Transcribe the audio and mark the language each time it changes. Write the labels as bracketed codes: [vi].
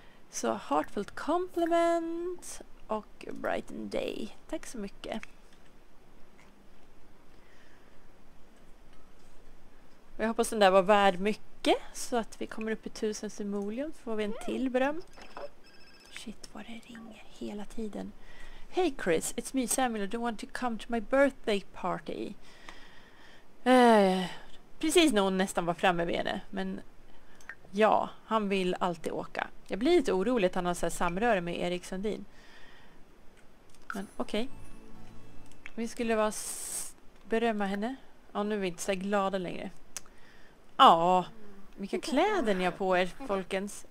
[sv] Så heartfelt compliment och brighten day. Tack så mycket. Jag hoppas den där var värd mycket så att vi kommer upp i 1000 simoleon. Får vi en till beröm. Shit, vad det ringer hela tiden. [en] Hey Chris, it's me Samuel. I don't want to come to my birthday party. [sv] Precis när hon nästan var framme med henne. Men ja, han vill alltid åka. Jag blir lite orolig att han har så här samröre med Erik Sundin. Men okej. Okay. Vi skulle vara berömma henne. Ja, nu är vi inte så glada längre. Ja, vilka kläder ni har på er, folkens.